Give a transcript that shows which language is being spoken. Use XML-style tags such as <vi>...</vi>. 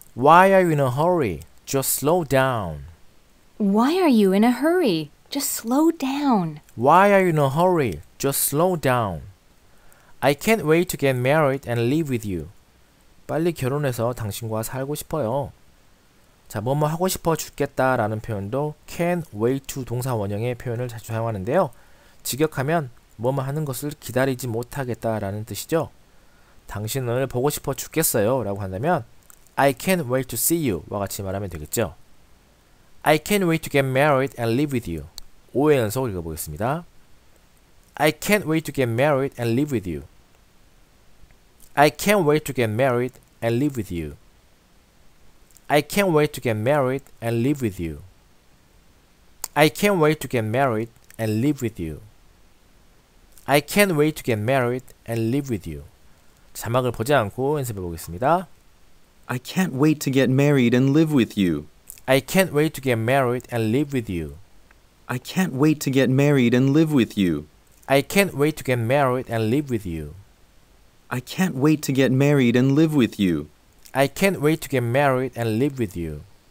<en>Why are you in a hurry? Just slow down. Why are you in a hurry? Just slow down. Why are you in a hurry? Just slow down. I can't wait to get married and live with you.</en> <ko>빨리 결혼해서 당신과 살고 싶어요. 자, 뭐뭐 하고 싶어 죽겠다 라는 표현도 can't wait to 동사 원형의 표현을 자주 사용하는데요. 직역하면 뭐뭐 하는 것을 기다리지 못하겠다 라는 뜻이죠. 당신을 보고 싶어 죽겠어요 라고 한다면</ko> <en>I can't wait to see you</en> <ko>와 같이 말하면 되겠죠.</ko> <en>I can't wait to get married and live with you.</en> <ko>5회 연속 읽어보겠습니다.</ko> <en>I can't wait to get married and live with you. I can't wait to get married and live with you. I can't wait to get married and live with you. I can't wait to get married and live with you. I can't wait to get married and live with you.</en> <ko>자막을 보지 않고 연습해 보겠습니다.</ko> <en>I can't wait to get married and live with you. I can't wait to get married and live with you. I can't wait to get married and live with you. I can't wait to get married and live with you. I can't wait to get married and live with you. I can't wait to get married and live with you.</en>